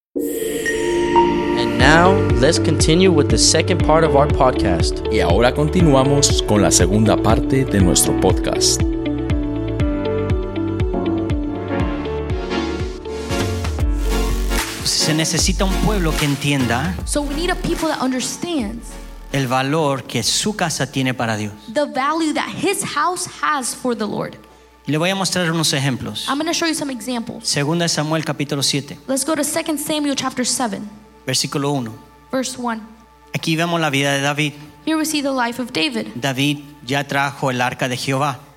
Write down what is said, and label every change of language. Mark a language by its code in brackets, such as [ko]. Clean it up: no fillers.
[en] And now, let's continue with the second part of our podcast. [es] Y ahora continuamos con la segunda parte de nuestro podcast. Se necesita un pueblo que entienda. [en] So we need a people that understands. [es] El valor que su casa tiene para Dios. [en] The value that his house has for the Lord. [es] Le voy a mostrar unos ejemplos. [en] I'm going to show you some examples. [es] Segunda Samuel capítulo 7. [en] Let's go to 2 Samuel chapter 7. [es] Versículo 1. [en] Verse 1. [es] Aquí vemos la vida de David. [en] Here we see the life of David. [es] David ya trajo el arca de Jehová.